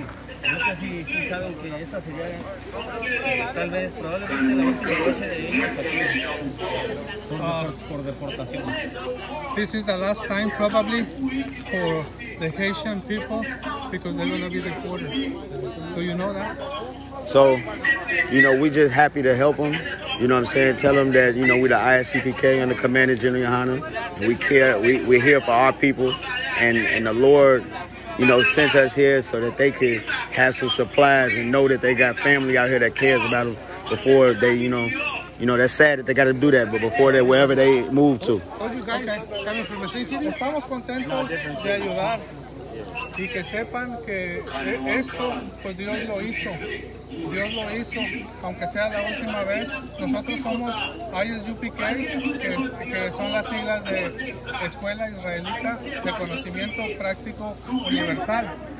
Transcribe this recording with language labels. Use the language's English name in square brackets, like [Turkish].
[Spanish] No sé si saben que esta sería tal vez probablemente la última noche de ellos aquí. Por deportación. [English] This is the last time probably for the Haitian people because they're gonna be deported. Do you know that? So, you know, we just happy to help them. You know what I'm saying? Tell them that, you know, we the ISUPK and the Commander General Yohanna. We care. We're here for our people. And the Lord, you know, sent us here so that they could have some supplies and know that they got family out here that cares about them before they, you know, You know, that's sad that they got to do that, but before that, wherever they move to. Are you guys coming from the same city? [Spanish] Estamos contentos de ayudar. Y que sepan que esto, pues Dios lo hizo. Dios lo hizo, aunque sea la última vez. Nosotros somos I.S.U.P.K, que son las siglas de Escuela Israelita de Conocimiento Práctico Universal.